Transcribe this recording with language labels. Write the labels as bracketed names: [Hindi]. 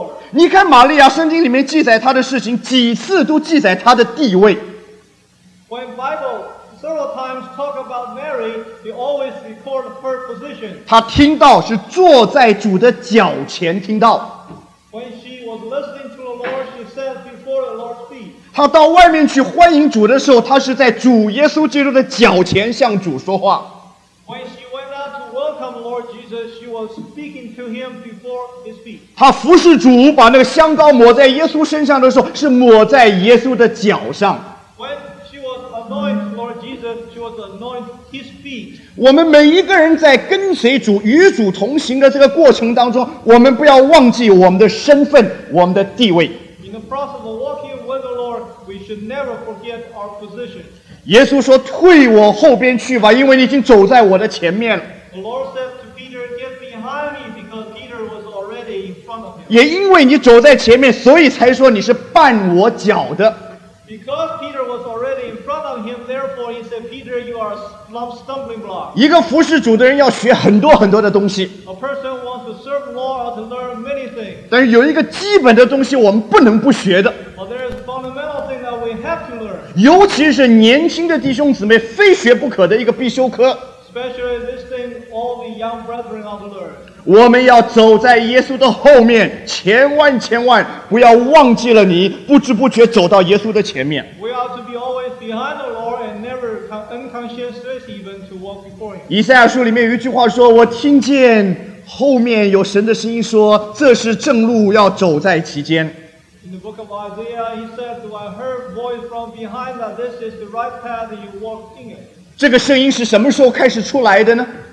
[Chinese] 你看玛利亚，圣经里面记载她的事情，几次都记载她的地位。 [English] When Bible several times talk about Mary, they always record her position. [Chinese] 她听到是坐在主的脚前听到。 [English] When she was listening to the Lord, she sat before the Lord's feet. [Chinese] 她到外面去欢迎主的时候，她是在主耶稣基督的脚前向主说话。 [English] When she went out to welcome Lord Jesus, she was speaking to him before his feet. [Chinese] 她服侍主，把那个香膏抹在耶稣身上的时候，是抹在耶稣的脚上。 [English] When she was anointed Lord Jesus, she was anointed his feet. [Chinese] 我们每一个人在跟随主、与主同行的这个过程当中，我们不要忘记我们的身份、我们的地位。 [English] In the process of walking with the Lord, we should never forget our position. [Chinese] 耶稣说：“退我后边去吧，因为你已经走在我的前面了。” [English] The Lord said to Peter, "Get behind me," because Peter was already in front of him. [Chinese] 也因为你走在前面，所以才说你是绊我脚的。 [English] Because Peter was already in front of him, therefore he said, "Peter, you are a stumbling block." [Chinese] 一个服侍主的人要学很多很多的东西。 [English] A person wants to serve Lord to learn many things. [Chinese] 但是有一个基本的东西我们不能不学的。 [English] But there is a fundamental thing that we have to learn. [Chinese] 尤其是年轻的弟兄姊妹非学不可的一个必修课。 [English] Especially this thing, all the young brethren ought to learn. [Chinese] 我们要走在耶稣的后面，千万千万不要忘记了你，不知不觉走到耶稣的前面。 [English] We ought to be always behind the Lord and never unconsciously even to walk before Him. [Chinese] 以赛亚书里面有一句话说：“我听见后面有神的声音说，这是正路，要走在其间。” [English] In the book of Isaiah, he said, "Do I heard voice from behind that this is the right path you walk in it?" [Chinese] 这个声音是什么时候开始出来的呢？